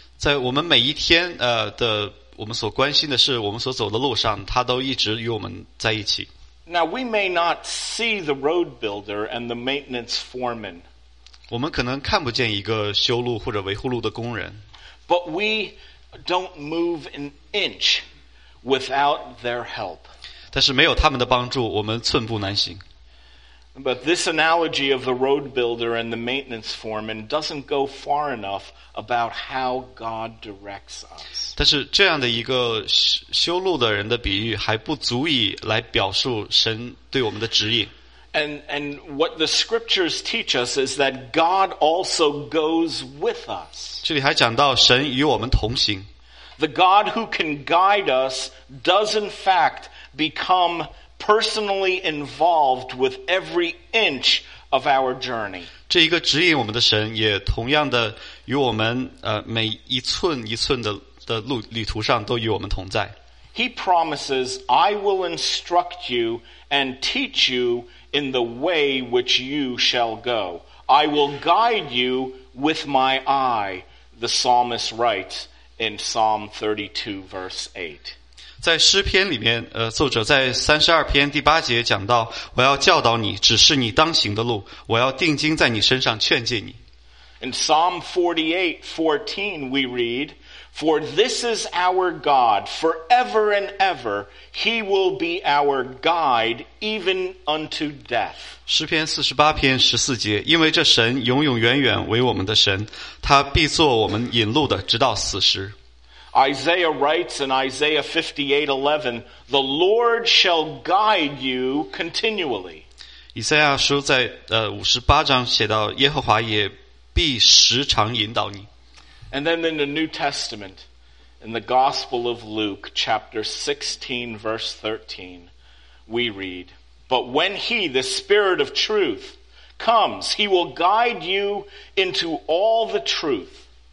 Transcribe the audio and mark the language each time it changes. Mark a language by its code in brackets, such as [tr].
[zh] 在我们每一天的我们所关心的是我们所走的路上，他都一直与我们在一起。 [en] Now we may not see the road builder and the maintenance foreman. [zh] 我们可能看不见一个修路或者维护路的工人。 [en] But we don't move an inch without their help. [zh] 但是没有他们的帮助，我们寸步难行。 [en] But this analogy of the road builder and the maintenance foreman doesn't go far enough about how God directs us. [zh] 但是这样的一个修路的人的比喻还不足以来表述神对我们的指引。 [en] And what the scriptures teach us is that God also goes with us. [zh] 这里还讲到神与我们同行。 [en] The God who can guide us does in fact become personally involved with every inch of our journey. [zh] 这一个指引我们的神也同样的与我们每一寸一寸的旅途上都与我们同在。 [en] He promises, I will instruct you and teach you in the way which you shall go. I will guide you with my eye, the psalmist writes in Psalm 32 verse 8. [zh] 在诗篇里面作者在32篇第8节讲到，我要教导你，指示你当行的路，我要定睛在你身上劝诫你。 [en] In Psalm 48:14 we read, For this is our God, forever and ever, He will be our guide even unto death. [zh] 诗篇四十八篇十四节，因为这神永永远远为我们的神，他必做我们引路的，直到死时。 [en] Isaiah writes in Isaiah 58:11, "The Lord shall guide you continually." [zh] 以赛亚书在五十八章写到，耶和华也必时常引导你。 [en] And then in the New Testament, in the Gospel of Luke, chapter 16, verse 13, we read, But when He, the Spirit of truth, comes, He will guide you into all the truth.